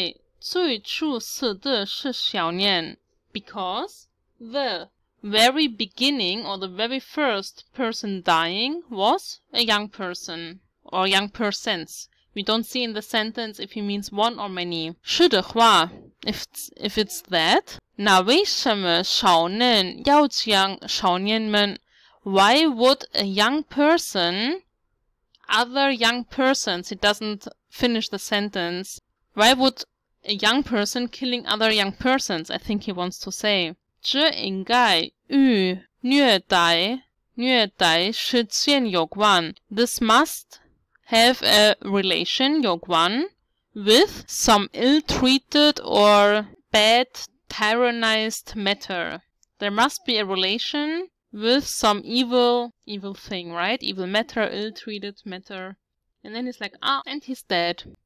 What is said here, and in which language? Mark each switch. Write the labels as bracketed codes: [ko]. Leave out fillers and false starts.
[zh] 因为最初死的是少年. [en] Because the very beginning, or the very first person dying, was a young person. or young persons. We don't see in the sentence if he means one or many. [zh] 是的话, [en] if it's that. [zh] 那为什么少年要讲少年们? [en] Why would a young person, other young persons, it doesn't finish the sentence. Why would a young person killing other young persons? I think he wants to say. [zh] 这应该与虐待事件有关. [en] This must have a relation, 有关, with some ill-treated or bad tyrannized matter. There must be a relation with some evil thing, right? Evil matter, ill-treated matter. And then he's like, ah, and he's dead.